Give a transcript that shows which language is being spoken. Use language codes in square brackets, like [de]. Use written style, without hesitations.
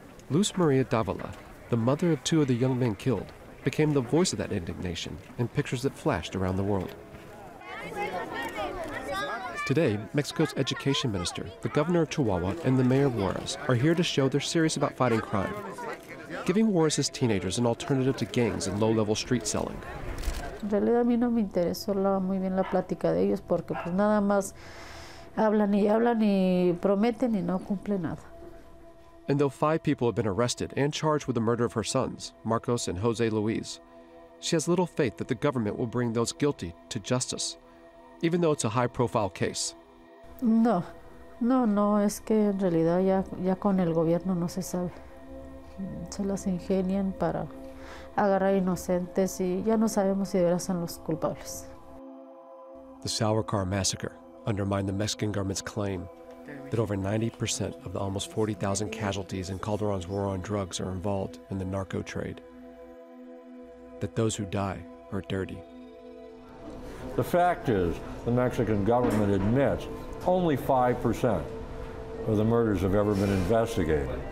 [en] Luz Maria Davila, the mother of two of the young men killed, became the voice of that indignation in pictures that flashed around the world. Today, Mexico's education minister, the governor of Chihuahua, and the mayor of Juarez are here to show they're serious about fighting crime, giving Juarez's teenagers an alternative to gangs and low-level street selling. [es] En realidad, a mí no me interesó muy bien la plática de ellos porque pues nada más hablan y prometen y no cumplen nada. [en] And though five people have been arrested and charged with the murder of her sons, Marcos and Jose Luis, she has little faith that the government will bring those guilty to justice, even though it's a high-profile case. [es] No, es que en realidad ya con el gobierno no se sabe. Se las ingenian para agarrar inocentes y ya no sabemos si de verdad son los culpables. [en] The Salvarcar massacre undermined the Mexican government's claim that over 90% of the almost 40,000 casualties in Calderon's war on drugs are involved in the narco trade. That those who die are dirty. The fact is, the Mexican government admits only 5% of the murders have ever been investigated.